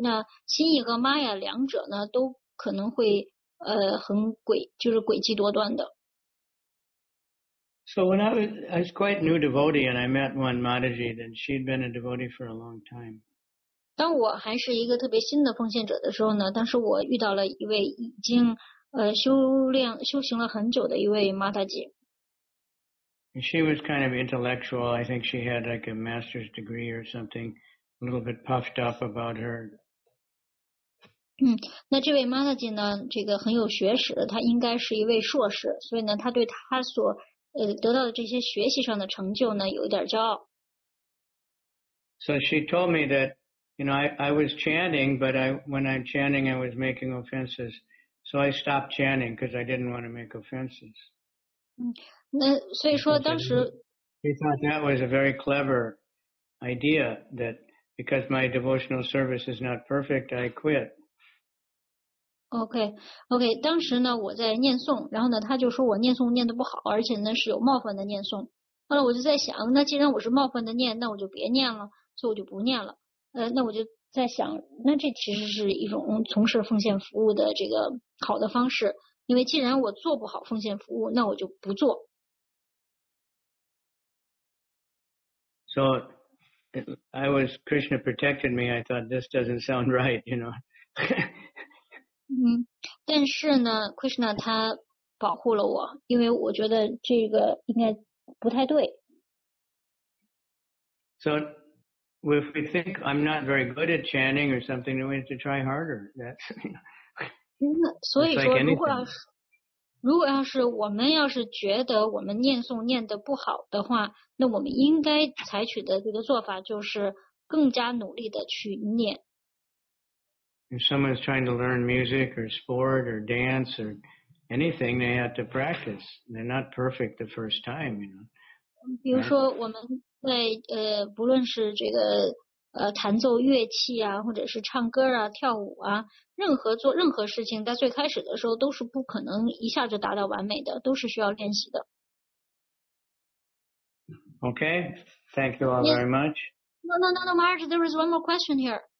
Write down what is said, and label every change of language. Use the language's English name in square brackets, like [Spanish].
[Chinese] 那心意和 Maya 两者呢都可能会很诡就是诡计多端的。 [English] So when I was quite a new devotee and I met one Mataji, then she'd been a devotee for a long time. [Chinese] 当我还是一个特别新的奉献者的时候呢，当时我遇到了一位已经修行了很久的一位 Mataji. [English] She was kind of intellectual. I think she had like a master's degree or something, a little bit puffed up about her. [Chinese] 那这位 Mataji 呢，这个很有学识，他应该是一位硕士，所以呢，他对他所得到的这些学习上的成就呢，有一点骄傲。 [English] So she told me that, you know, I was chanting, but when I'm chanting, I was making offenses. So I stopped chanting because I didn't want to make offenses. [Chinese] 那所以说当时。 [English] She thought that was a very clever idea that because my devotional service is not perfect, I quit. Okay, [Chinese] 当时呢我在念诵，然后呢他就说我念诵念得不好，而且呢是有冒犯的念诵。后来我就在想，那既然我是冒犯的念，那我就别念了，所以我就不念了。那我就在想，那这其实是一种从事奉献服务的这个好的方式，因为既然我做不好奉献服务，那我就不做。 [English] So, I was, Krishna protected me, I thought this doesn't sound right, you know. [Chinese] 但是呢 ，Krishna 他保护了我，因为我觉得这个应该不太对。 [English] So if we think I'm not very good at chanting or something, then we have to try harder. That's. [Chinese] 所以说，如果要是我们要是觉得我们念诵念得不好的话，那我们应该采取的这个做法就是更加努力的去念。 [English] If someone's trying to learn music or sport or dance or anything, they have to practice. They're not perfect the first time, you know. [Chinese] 比如说我们在不论是这个弹奏乐器啊，或者是唱歌啊、跳舞啊，任何做任何事情，在最开始的时候都是不可能一下就达到完美的，都是需要练习的。 [English] Okay, thank you all very much. No, Marge, there is one more question here.